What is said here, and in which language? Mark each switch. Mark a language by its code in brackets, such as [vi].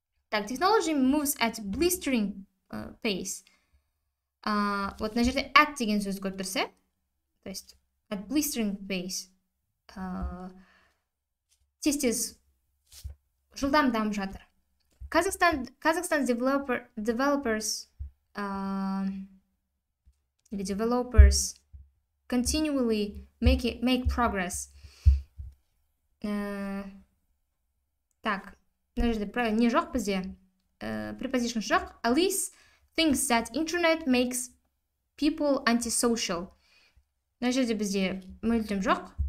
[en] Так, technology moves at blistering pace. [kk] Вот мына жерде at деген сөз көріп тұрсе, [ru] то есть [en] at blistering pace. [kk] Тез-тез жылдам дамып жатыр. [en] Казахстан developers или developers continually make progress. [ru] Так, подожди, правильно, не [kk] жоқ бізде. Preposition жоқ. [en] Alice thinks that internet makes people antisocial. [ru] Подожди, [kk] бізде мүлдем жоқ.